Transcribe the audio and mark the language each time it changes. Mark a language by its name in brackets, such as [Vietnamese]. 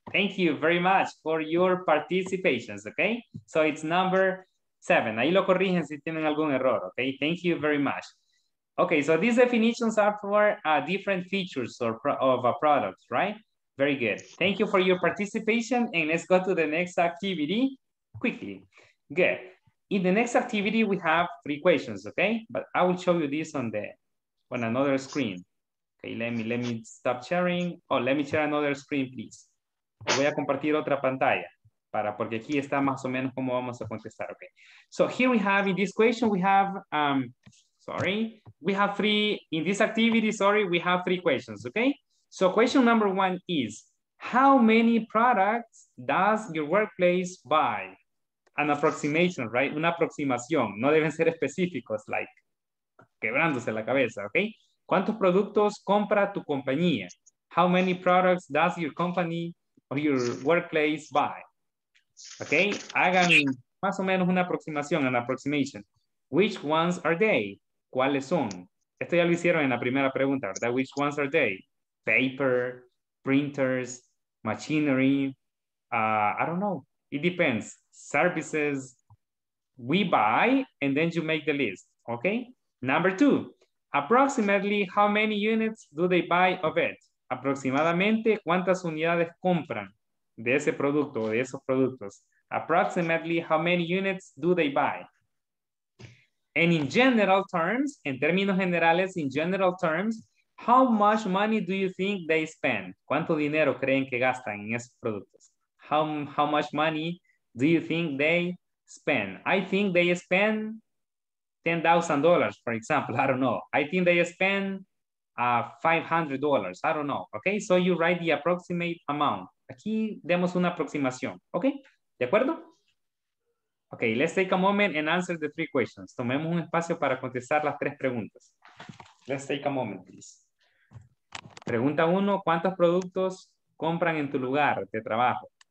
[English] Thank you very much for your participations, okay? So it's number seven. [Spanish] Ahí lo corrigen si tienen algún error, okay? [English] Thank you very much. Okay, so these definitions are for different features of a product, right? Very good. Thank you for your participation. And let's go to the next activity quickly. Good. In the next activity, we have three questions, okay? But I will show you this on another screen. Okay, let me stop sharing. Oh, let me share another screen, please. [Spanish] Voy a compartir otra pantalla para porque aquí está más o menos cómo vamos a contestar, okay? [English] So here we have, in this question, we have, we have three questions, okay? So question number one is, how many products does your workplace buy? An approximation, right? [Spanish] Una aproximación. No deben ser específicos, like quebrándose la cabeza, okay? ¿Cuántos productos compra tu compañía? [English] How many products does your company or your workplace buy? [Spanish] Okay, hagan más o menos una aproximación, [English] an approximation. Which ones are they? [Spanish] ¿Cuáles son? Esto ya lo hicieron en la primera pregunta, ¿verdad? [English] Which ones are they? Paper, printers, machinery, I don't know. It depends. Services we buy, and then you make the list, okay? Number two. Approximately how many units do they buy of it? [Spanish] Aproximadamente, ¿cuántas unidades compran de ese producto o de esos productos? [English] Approximately how many units do they buy? And in general terms, [Spanish] en términos generales, [English] in general terms, how much money do you think they spend? [Spanish] ¿Cuánto dinero creen que gastan en esos productos? [English] How much money do you think they spend? I think they spend $10,000, for example. I don't know. I think they spend $500. I don't know. Okay, so you write the approximate amount. [Spanish] Aquí demos una aproximación. Okay, ¿de acuerdo? [English] Okay, let's take a moment and answer the three questions. [Spanish] Tomemos un espacio para contestar las tres preguntas. [English] Let's take a moment, please. [Spanish] Pregunta uno, ¿cuántos productos compran en tu lugar de trabajo?